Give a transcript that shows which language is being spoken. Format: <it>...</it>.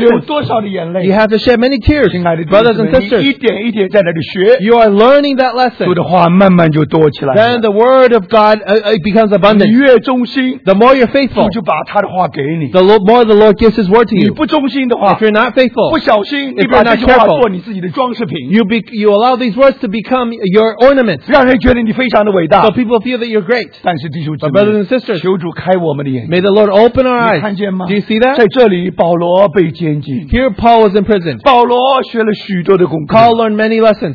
<zh>流多少的眼泪？</zh> <en>You have to shed many tears.</en> <zh>亲爱的</zh> <en>brothers and sisters,</en> <zh>你一点一点在那里学。</zh> <en>You are learning that lesson.</en> <zh>主的话慢慢就多起来。</zh> <en>Then the word of God becomes abundant.</en> <zh>你越忠心，</zh> <en>the more you're faithful,</en> <zh>主就把他的话给你。</zh> <en>The more the Lord gives His word to you.</en> <zh>你不忠心的话，</zh> <en>if you're not faithful,</en> <zh>不小心，你把那句话做你自己的装饰品。</zh> <en>You allow these words to become your ornaments.</en> <zh>让人觉得你非常的伟大。</zh> <en>So people feel that you're great.</en> <zh>但是弟兄姊妹，</zh> <en>but brothers and sisters,</en> <zh>求主开我们的眼睛。</zh> <en>May the Lord open our eyes.</en> <zh>你看见吗？</zh> <en>Do you see that?</en> <zh>在这里，保罗被监禁。</zh> <en>Here Paul was in prison.</en> <zh>保罗学了许多的功课。</zh> <en>Paul learned many lessons.</en>